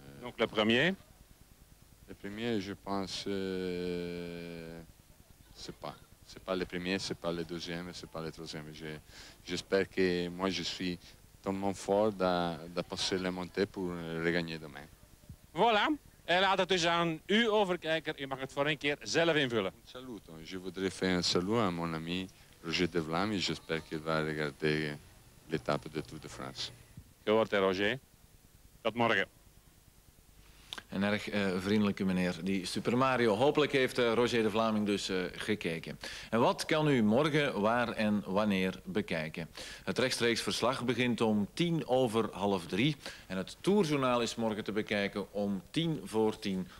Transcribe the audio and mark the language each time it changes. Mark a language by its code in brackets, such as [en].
[fr] Donc le premier? Le premier, je pense, c'est pas le premier, c'est pas le deuxième, c'est pas le troisième. J'espère que moi je suis tellement fort de passer la montée pour regagner demain. Voilà. [nl] En laat het dus aan u overkijken. U mag het voor een keer zelf invullen. [it] Un saluto. [fr] Je voudrais faire un salut à mon ami Roger De Vlaam. J'espère qu'il va regarder l'étape de Tour de France. [nl] Gehoord, hè, Roger. Tot morgen. Een erg vriendelijke meneer, die Super Mario. Hopelijk heeft Roger De Vlaming dus gekeken. En wat kan u morgen, waar en wanneer bekijken? Het rechtstreeks verslag begint om 14:30. En het Tourjournaal is morgen te bekijken om 9:50.